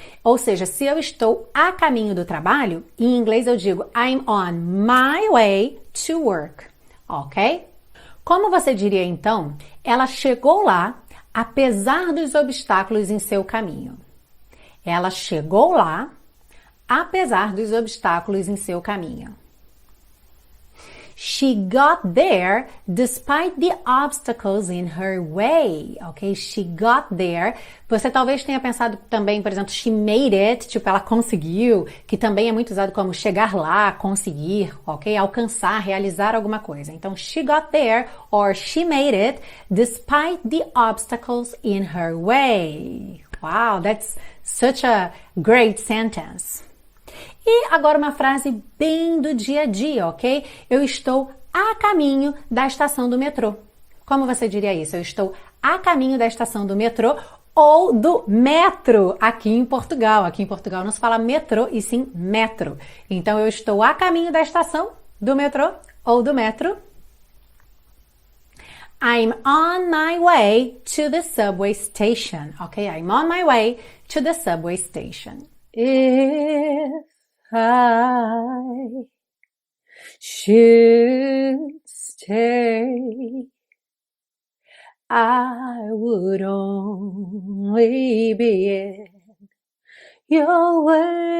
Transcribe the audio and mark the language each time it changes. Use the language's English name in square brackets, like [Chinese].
[Portuguese] Ou seja, se eu estou a caminho do trabalho, em inglês eu digo [English] I'm on my way to work, [Portuguese] ok? Como você diria então, ela chegou lá apesar dos obstáculos em seu caminho? Ela chegou lá apesar dos obstáculos em seu caminho. [English] She got there despite the obstacles in her way, ok? She got there. [Portuguese] Você talvez tenha pensado também, por exemplo, [English] she made it, [Portuguese] tipo, ela conseguiu, que também é muito usado como chegar lá, conseguir, ok? Alcançar, realizar alguma coisa. Então, [English] she got there or she made it despite the obstacles in her way. Wow, that's such a great sentence. [Portuguese] E agora uma frase bem do dia a dia, ok? Eu estou a caminho da estação do metrô. Como você diria isso? Eu estou a caminho da estação do metrô ou do metro aqui em Portugal. Aqui em Portugal não se fala metrô e sim metro. Então eu estou a caminho da estação do metrô ou do metro. [English] I'm on my way to the subway station, ok? I'm on my way to the subway station. If I should stay, I would only be in your way.